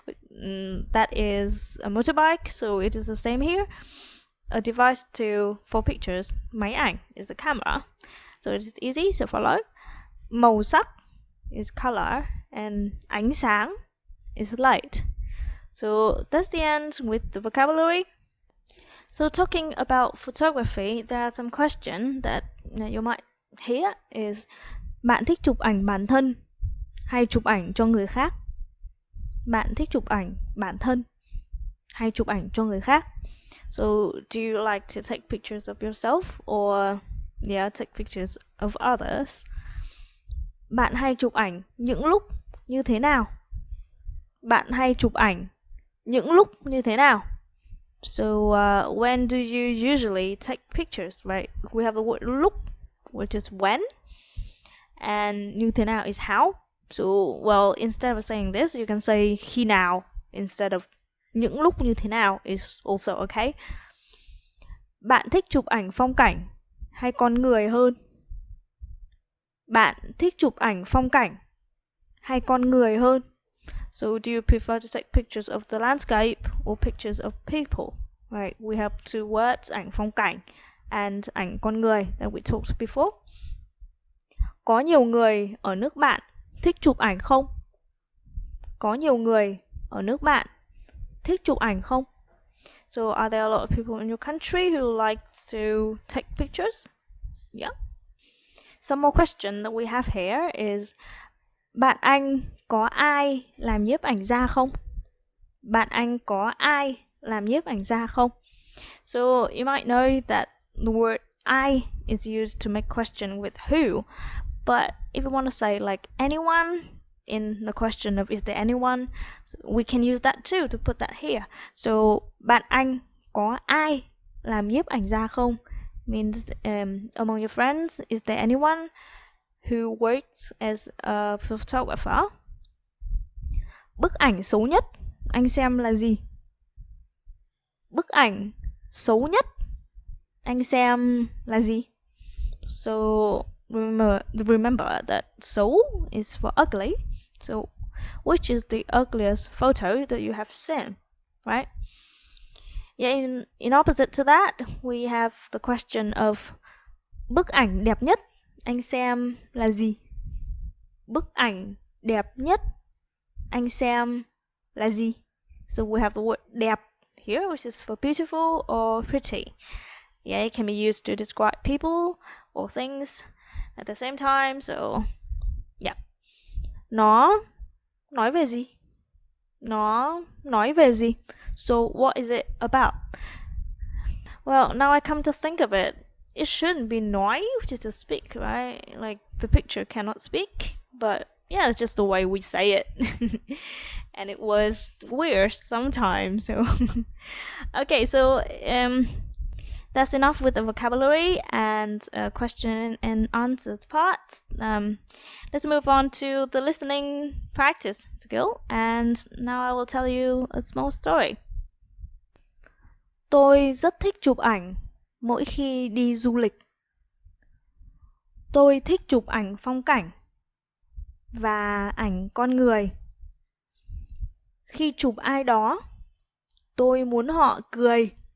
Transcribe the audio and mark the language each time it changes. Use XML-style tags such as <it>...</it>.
<en>That is a motorbike, so it is the same here. A device to for pictures. Máy ảnh is a camera. So it is easy to follow. Màu sắc is color, and ánh sáng is light. So that's the end with the vocabulary. So talking about photography, there are some questions that you might hear is,</en> <vi>bạn thích chụp ảnh bản thân hay chụp ảnh cho người khác? Bạn thích chụp ảnh bản thân hay chụp ảnh cho người khác?</vi> <en>So do you like to take pictures of yourself or take pictures of others?</en> <vi>Bạn hay chụp ảnh những lúc như thế nào? Bạn hay chụp ảnh những lúc như thế nào?</vi> <en>So, when do you usually take pictures, right? We have the word lúc, which is when. And như thế nào is how. So, well, instead of saying this, you can say khi nào instead of những lúc như thế nào is also okay.</en> <vi>Bạn thích chụp ảnh phong cảnh hay con người hơn? Bạn thích chụp ảnh phong cảnh hay con người hơn?</vi> <en>So do you prefer to take pictures of the landscape or pictures of people? Right, we have two words, ảnh phong cảnh and ảnh con người that we talked before.</en> <vi>Có nhiều người ở nước bạn thích chụp ảnh không? Có nhiều người ở nước bạn thích chụp ảnh không?</vi> <en>So are there a lot of people in your country who like to take pictures? Yeah. Some more question that we have here is,</en> <vi>bạn anh có ai làm nhiếp ảnh gia không? Bạn anh có ai làm nhiếp ảnh gia không?</vi> <en>So you might know that the word ai is used to make question with who, but if you want to say like anyone in the question of is there anyone, we can use that too to put that here. So</en> <vi>bạn anh có ai làm nhiếp ảnh gia không?</vi> <en>Means among your friends, is there anyone who works as a photographer?</en> <vi>Bức ảnh xấu nhất anh xem là gì? Bức ảnh xấu nhất anh xem là gì?</vi> <en>So remember that xấu is for ugly. So which is the ugliest photo that you have seen, right? Yeah, in opposite to that, we have the question of</en> <vi>bức ảnh đẹp nhất anh xem là gì? Bức ảnh đẹp nhất anh xem là gì?</vi> <en>So we have the word đẹp here, which is for beautiful or pretty. Yeah, it can be used to describe people or things at the same time. So, yeah.</en> <vi>Nó nói về gì? Nó nói về gì?</vi> <en>So what is it about? Well, now I come to think of it, it shouldn't be nói, which is to speak, right? Like the picture cannot speak, but Yeah, it's just the way we say it. And it was weird sometimes. So okay, so that's enough with the vocabulary and question and answers part. Let's move on to the listening practice skill. And now I will tell you a small story.</en> <vi>Tôi rất thích chụp ảnh mỗi khi đi du lịch. Tôi thích chụp ảnh phong cảnh và ảnh con người. Khi chụp ai đó, tôi muốn họ cười.</vi>